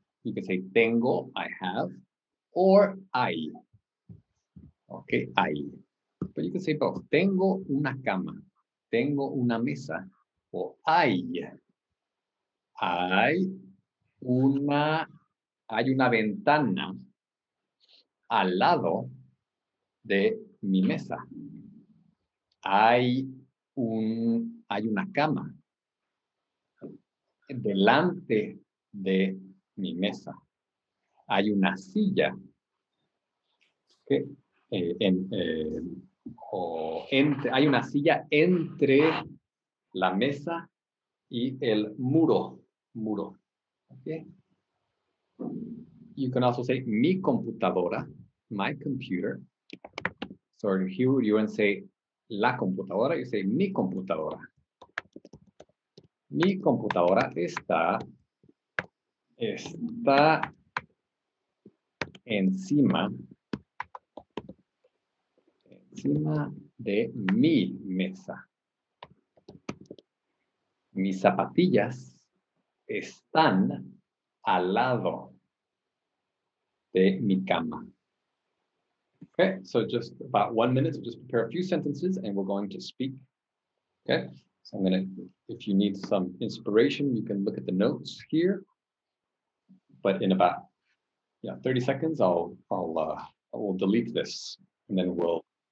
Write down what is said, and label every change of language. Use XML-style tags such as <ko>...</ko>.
<en>You can say tengo, I have, or hay. Okay, hay. But you can say both.</en> <es>Tengo una cama, tengo una mesa, o hay una ventana al lado de mi mesa. Hay una cama delante de mi mesa. Hay una silla hay una silla entre la mesa y el muro. Okay.</es> <en>you can also say</en> <es>mi computadora,</es> <en>my computer. So if you wouldn't say</en> <es>la computadora,</es> <en>you say</en> <es>mi computadora. Mi computadora está encima de mi mesa. Mis zapatillas están al lado de mi cama.</es> <en>Okay, so just about 1 minute, so just prepare a few sentences and we're going to speak. Okay, so I'm gonna, if you need some inspiration, you can look at the notes here. But in about 30 seconds, I will delete this and then we'll.</en>